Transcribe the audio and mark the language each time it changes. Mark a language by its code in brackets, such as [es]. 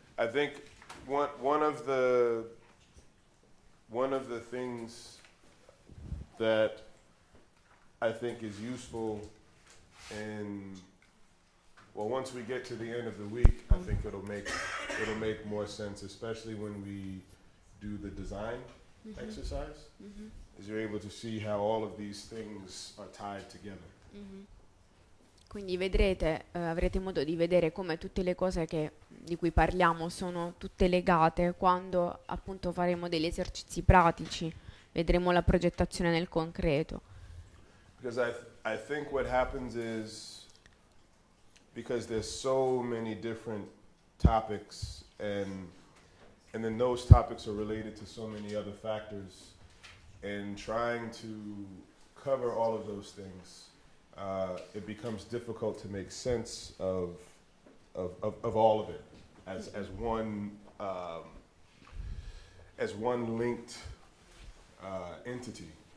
[en] I think one of the things that I think is useful in, well, once we get to the end of the week, I think it'll make more sense, especially when we do the design mm-hmm. exercise, mm-hmm. is you're able to see how all of these things are tied together. Mm-hmm. [it] Quindi vedrete, avrete modo di vedere come tutte le cose di cui parliamo sono tutte legate quando appunto faremo degli esercizi pratici, vedremo la progettazione nel concreto. [en] Because I think what happens is, because there's so many different topics and then those topics are related to so many other factors, and trying to cover all of those things, it becomes difficult to make sense of all of it as one linked entity.